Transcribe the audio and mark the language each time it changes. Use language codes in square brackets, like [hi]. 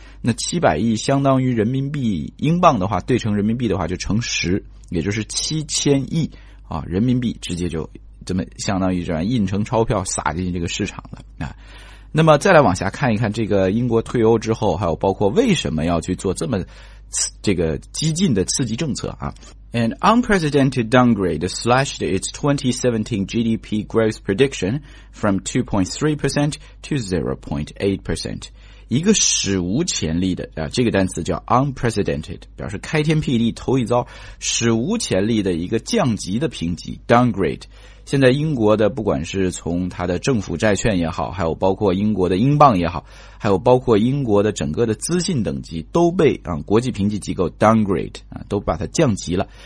[zh] 那700亿相当于人民币，英镑的话对成人民币的话就乘10，也就是7000亿啊，人民币直接就这么相当于这样印成钞票撒进这个市场了啊。那么再来往下看一看，这个英国退欧之后，还有包括为什么要去做这么这个激进的刺激政策啊。 [en] An unprecedented downgrade slashed its 2017 GDP growth prediction from 2.3% to 0.8%。 [zh] 一个史无前例的这个单词叫 unprecedented， 表示开天辟地头一遭，史无前例的一个降级的评级 downgrade。现在英国的不管是从它的政府债券也好，还有包括英国的英镑也好，还有包括英国的整个的资信等级都被国际评级机构 downgrade 都把它降级了。